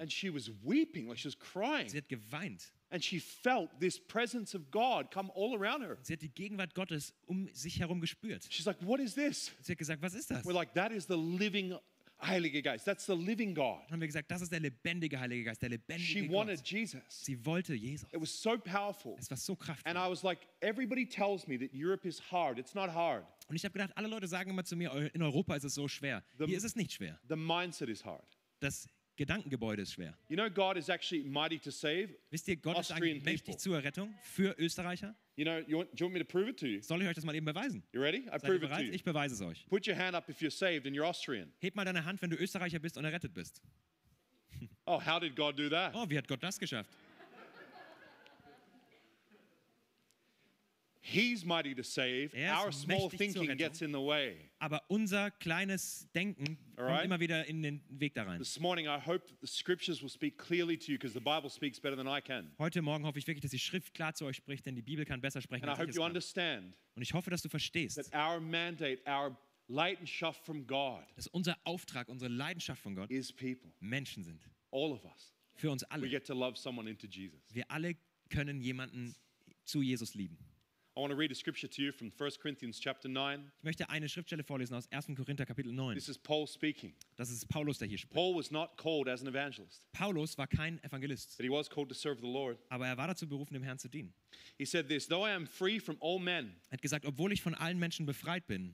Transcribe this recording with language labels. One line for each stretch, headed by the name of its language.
English: And she was weeping, like she was crying.
German: Sie hat geweint.
English: And she felt this presence of God come all around her.
German: Sie hat die Gegenwart Gottes sich herum gespürt.
English: She's like, "What is this?"
German: Sie hat gesagt, was ist das?
English: We're like, "That is the living
German: Heilige Geist.
English: That's the living God."
German: Haben wir gesagt, das ist der lebendige Heilige Geist, der lebendige
English: She
German: Gott.
English: Wanted Jesus.
German: Sie wollte Jesus.
English: It was so powerful.
German: Es war so kraftvoll.
English: And I was like, "Everybody tells me that Europe is hard. It's not hard."
German: Und ich habe gedacht, alle Leute sagen immer zu mir, in Europa ist es so schwer. Hier ist es nicht schwer.
English: The mindset is hard.
German: Das Gedankengebäude ist schwer.
English: You know, God is actually mighty to save.
German: Wisst ihr, Gott ist eigentlich mächtig zur Errettung für Österreicher.
English: You know, do you want me to prove it to you?
German: Soll ich euch das mal eben beweisen?
English: You ready? I prove it to you.
German: Ich beweise es euch.
English: Put your hand up if you're saved and you're Austrian.
German: Hebt mal deine Hand, wenn du Österreicher bist und errettet bist.
English: Oh, how did God do that?
German: Oh, wie hat Gott das geschafft?
English: He's mighty to save. Our small thinking gets in the way.
German: Aber unser kleines Denken kommt immer wieder in den Weg da rein.
English: This morning I hope that the scriptures will speak clearly to you because the Bible speaks better than I can.
German: Heute Morgen hoffe ich wirklich, dass die Schrift klar zu euch spricht, denn die Bibel kann besser sprechen als ich es kann.
English: And I hope you understand.
German: Und ich hoffe, dass du verstehst.
English: That our mandate, our Leidenschaft from God.
German: Dass unser Auftrag, unsere Leidenschaft von Gott
English: is people.
German: Menschen sind.
English: All of us.
German: Für uns alle.
English: We get to love someone into Jesus.
German: Wir alle können jemanden zu Jesus lieben.
English: I want to read a scripture to you from 1 Corinthians chapter 9.
German: Ich möchte eine Schriftstelle vorlesen aus 1. Korinther Kapitel 9.
English: This is Paul speaking.
German: Das ist Paulus, der hier spricht.
English: Paul was not called as an evangelist.
German: Paulus war kein Evangelist.
English: But he was called to serve the Lord.
German: Aber er war dazu berufen, dem Herrn zu dienen.
English: He said this, though I am free from all men.
German: Er hat gesagt, obwohl ich von allen Menschen befreit bin.